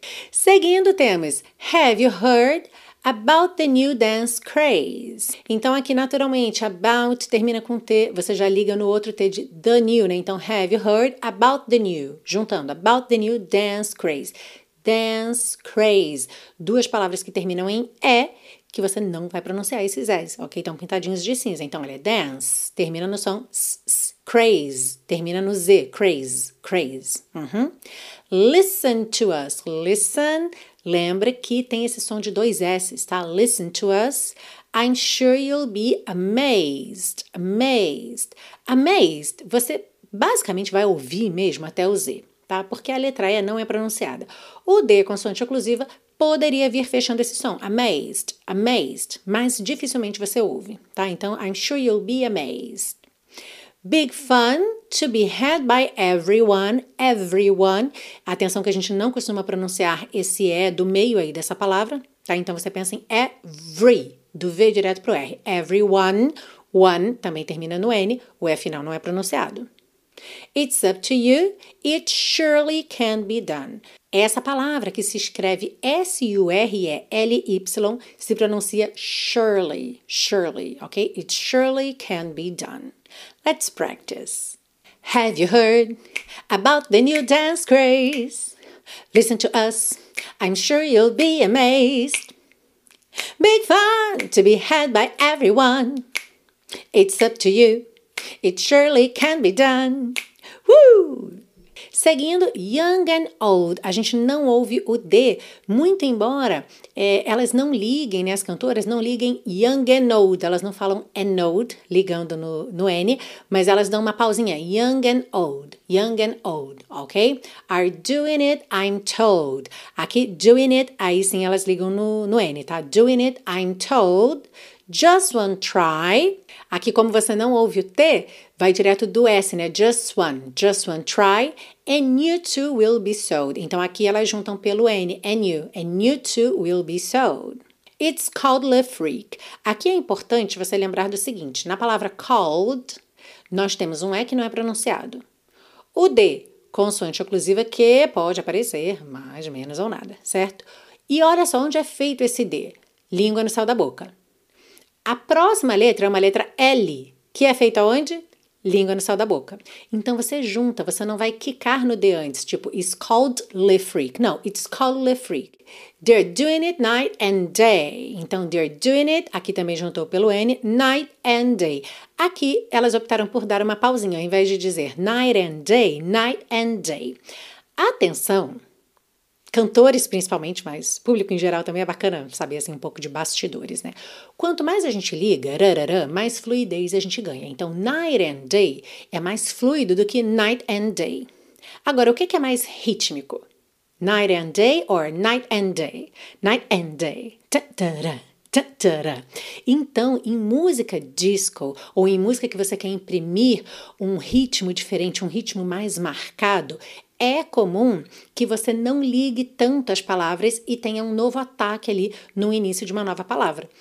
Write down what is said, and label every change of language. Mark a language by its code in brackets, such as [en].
[pt] Seguindo temos, [en] have you heard about the new dance craze? [pt] Então aqui naturalmente, about termina com T, você já liga no outro T de the new, né? [en] Então have you heard about the new, juntando, about the new dance craze. Dance craze. [pt] Duas palavras que terminam em E, que você não vai pronunciar esses S, ok? Estão pintadinhos de cinza. Então, ele é dance, termina no som s, craze, termina no Z, craze, craze. [en] Uhum. Listen to us, listen. [pt] Lembra que tem esse som de dois S, tá? [en] Listen to us. I'm sure you'll be amazed, amazed. [pt] Amazed, você basicamente vai ouvir mesmo até o Z, tá? Porque a letra E não é pronunciada. O D, consoante oclusiva, poderia vir fechando esse som. Amazed, amazed. Mas dificilmente você ouve, tá? [en] Então, I'm sure you'll be amazed. Big fun to be had by everyone, everyone. [pt] Atenção que a gente não costuma pronunciar esse E do meio aí dessa palavra, tá? Então, você pensa em every, do V direto pro R. Everyone, one, também termina no N, o E final não é pronunciado. [en] It's up to you, it surely can be done. [pt] Essa palavra que se escreve S-U-R-E-L-Y se pronuncia surely, surely, ok? [en] It surely can be done. Let's practice. Have you heard about the new dance craze? Listen to us, I'm sure you'll be amazed. Big fun to be had by everyone. It's up to you. It surely can be done. Woo! Seguindo, young and old. [pt] A gente não ouve o D, muito embora elas não liguem, né? As cantoras não liguem [en] young and old. [pt] Elas não falam [en] and old, [pt] ligando no N, mas elas dão uma pausinha. [en] Young and old, young and old, ok? Are doing it, I'm told. Aqui, doing it, [pt] aí sim elas ligam no N, tá? [en] Doing it, I'm told. Just one try. [pt] Aqui, como você não ouve o T, vai direto do S, né? [en] Just one try. And you too will be sold. [pt] Então, aqui elas juntam pelo N, [en] and you too will be sold. It's called Le Freak. [pt] Aqui é importante você lembrar do seguinte. Na palavra called, nós temos um E que não é pronunciado. O D, consoante oclusiva que pode aparecer, mais, menos ou nada, certo? E olha só onde é feito esse D. Língua no céu da boca. A próxima letra é uma letra L, que é feita onde? Língua no céu da boca. Então você junta, você não vai quicar no D antes, tipo, [en] it's called Le Freak. Não, it's called Le Freak. They're doing it night and day. [pt] Então, [en] they're doing it, [pt] aqui também juntou pelo N, [en] night and day. [pt] Aqui, elas optaram por dar uma pausinha, ao invés de dizer [en] night and day, night and day. [pt] Atenção, cantores principalmente, mas público em geral também é bacana saber assim, um pouco de bastidores, né? Quanto mais a gente liga, rarara, mais fluidez a gente ganha. Então, [en] night and day [pt] é mais fluido do que night and day. Agora, o que é mais rítmico? [en] Night and day or night and day? Night and day. Ta-ta-ra, ta-ta-ra. [pt] Então, em música disco ou em música que você quer imprimir um ritmo diferente, um ritmo mais marcado, é comum que você não ligue tanto as palavras e tenha um novo ataque ali no início de uma nova palavra.